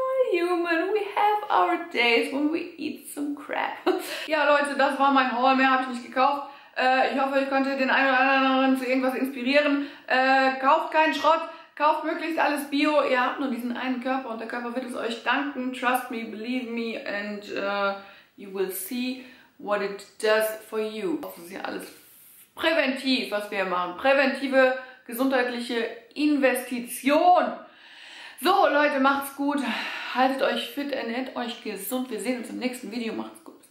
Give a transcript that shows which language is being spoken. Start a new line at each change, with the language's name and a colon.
English: human, we have our days when we eat some crap.
German: Ja, Leute, das war mein Haul. Mehr habe ich nicht gekauft. Ich hoffe, ich konnte den einen oder anderen zu irgendwas inspirieren. Kauft keinen Schrott. Kauft möglichst alles Bio. Ihr habt nur diesen einen Körper und der Körper wird es euch danken.
English: Trust me, believe me and you will see what it does for you.
German: Das ist ja alles präventiv, was wir hier machen. Präventive gesundheitliche Investition. So, Leute, macht's gut. Haltet euch fit, ernährt euch gesund. Wir sehen uns im nächsten Video. Macht's gut.